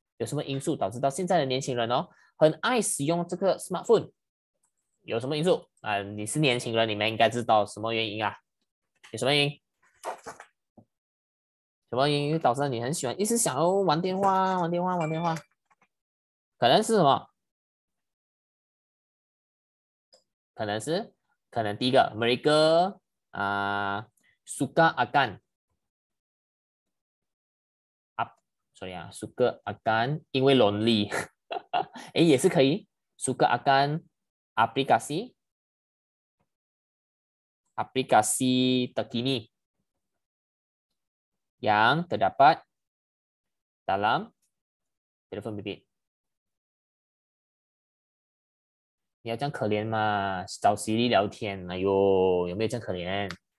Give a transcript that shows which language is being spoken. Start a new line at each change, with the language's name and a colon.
Malay: Ada apa faktor yang menyebabkan sekarang ini orang muda sangat suka menggunakan smartphone? Ada apa faktor? Anda adalah orang muda, anda harus tahu apa sebabnya. Ada apa sebabnya?
Chinese: 什么原因导致你很喜欢，一直想要玩电话，玩电话，玩电话？可能是什么？可能第一个，
Malay: mereka suka akan
Chinese: 所以啊，
Malay: suka akan
Chinese: 因为
Malay: lonely，
Chinese: 哎 也是可以，
Malay: suka akan aplikasi terkini yang terdapat dalam telefon bimbit。
Chinese: 你要这样可怜嘛？找 Siri 聊天，哎呦，有没有这样可怜？